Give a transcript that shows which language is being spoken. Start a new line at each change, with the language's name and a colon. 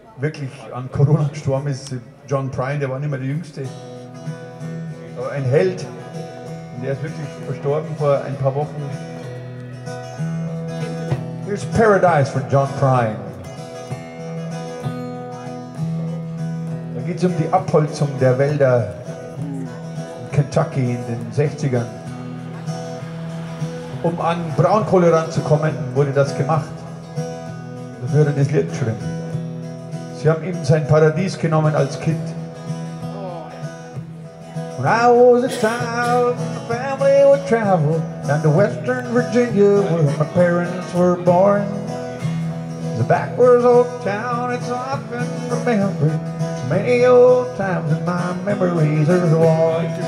German: wirklich an Corona gestorben ist, John Prine, der war nicht mehr der Jüngste. Aber ein Held. Und der ist wirklich verstorben vor ein paar Wochen.
English: Here's Paradise for John Prine.
German: Da geht es um die Abholzung der Wälder in Kentucky in den 60ern. Um an Braunkohle ranzukommen, wurde das gemacht. Da würde das Lied schrimmen. Sie haben ihm sein Paradies genommen als Kind.
English: When I was a child, my family would travel down to Western Virginia where my parents were born. The backwards old town, it's often remembered. Many old times in my memories are worn.